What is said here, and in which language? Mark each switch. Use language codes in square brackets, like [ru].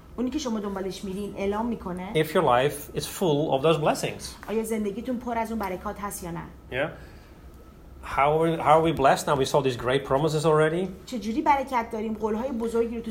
[fa] اونی که شما دنبالش میرین اعلام میکنه [en] if your life is full of those blessings. [fa] آیا زندگیتون پر از اون برکات هست یا نه؟ [en] Yeah. How are we blessed now? We saw these great promises already. [fa] چجوری برکت داریم؟ قولهای بزرگی رو تو